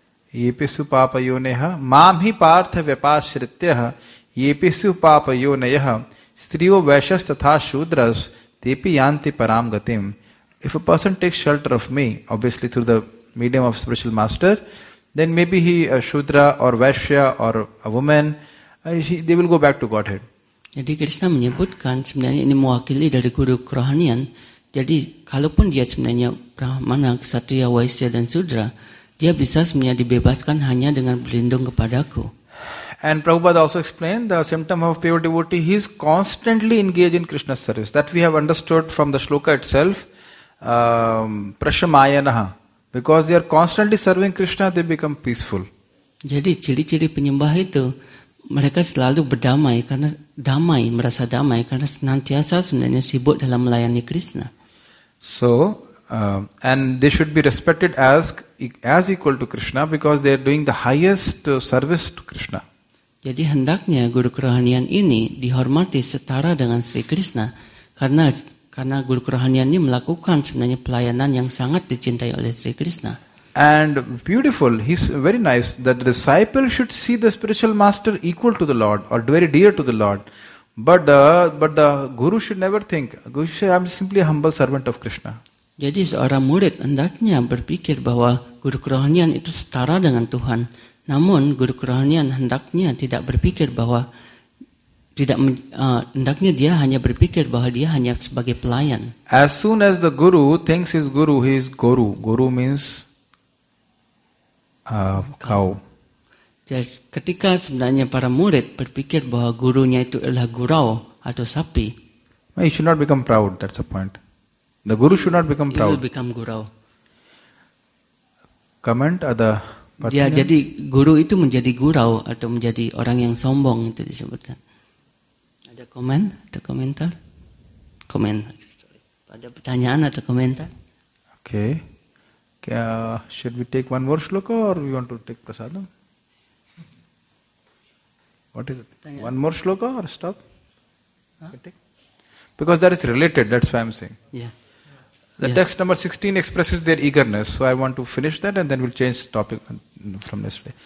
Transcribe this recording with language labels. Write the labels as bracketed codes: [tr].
[sa] Yepisu papa yoneha, mamhi partha vipashrityah, yepisu papa yoneha, striyo vaishas tatha shudras, tepi yanti param gatim. [en] If a person takes shelter of me, obviously through the medium of spiritual master, then maybe he, a shudra or vaishya or a woman, they will go back to Godhead. [id] Jadi Krishna menyebutkan sebenarnya ini mewakili dari guru kerohanian. Jadi kalaupun dia sebenarnya Brahmana, Ksatriya, Vaisya dan Sudra, dia bisa sebenarnya dibebaskan hanya dengan berlindung kepadaku. [en] And Prabhupada also explained the symptom of pure devotee, he is constantly engaged in Krishna's service. That we have understood from the shloka itself, prashamayanaha. Because they are constantly serving Krishna, they become peaceful. Jadi ciri-ciri penyembah itu, mereka selalu berdamai karena damai, merasa damai karena senantiasa sebenarnya sibuk dalam melayani Krishna. So, and they should be respected as equal to Krishna because they are doing the highest service to Krishna. Jadi hendaknya guru kerohanian ini dihormati setara dengan Sri Krishna karena guru kerohanian ini melakukan sebenarnya pelayanan yang sangat dicintai oleh Sri Krishna. And beautiful, he's very nice, that the disciple should see the spiritual master equal to the Lord or very dear to the Lord. But the guru should never think, guru should say, I'm simply a humble servant of Krishna. [id] Jadi seorang murid hendaknya berpikir bahwa guru kerohanian itu setara dengan Tuhan. Namun guru kerohanian hendaknya tidak berpikir bahwa hendaknya dia hanya berpikir bahwa dia hanya sebagai pelayan. [en] As soon as the guru thinks he's guru, he is guru. Guru means cow. [id] Jadi ketika sebenarnya para murid berpikir bahwa gurunya itu adalah gurau atau sapi. [en] Well, he should not become proud, that's the point. The guru should not become proud. He will become gurau. [id] Comment ada. Jadi guru itu menjadi gurau atau menjadi orang yang sombong itu disebutkan. Comment atau komentar? Comment. Ada pertanyaan atau komentar? [en] Okay. Should we take one more shloka or we want to take prasadam? What is it? One more shloka or stop? Huh? Because that is related, that's why I'm saying. Yeah. The text number 16 expresses their eagerness, so I want to finish that and then we'll change topic from yesterday.